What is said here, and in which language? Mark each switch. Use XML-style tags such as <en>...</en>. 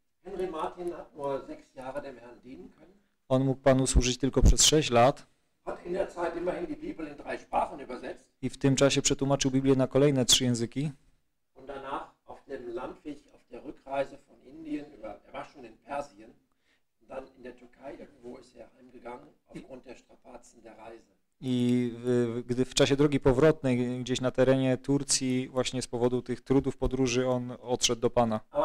<de>Henry Martin hat nur 6 Jahre dem Herrn dienen können.</de> <pl>On mógł Panu służyć tylko przez 6 lat.</pl> <de>Hat in der Zeit immerhin die Bibel in 3 Sprachen übersetzt.</de> <pl>I w tym czasie przetłumaczył Biblię na kolejne 3 języki.</pl> <de>Und danach auf dem Landweg, auf der Rückreise von Indien, er war schon in Persien, dann in der Türkei, irgendwo ist er heimgegangen, aufgrund der Strapazen der Reise.</de> <pl>I gdy w czasie drogi powrotnej gdzieś na terenie Turcji, właśnie z powodu tych trudów podróży, on odszedł do Pana.</pl>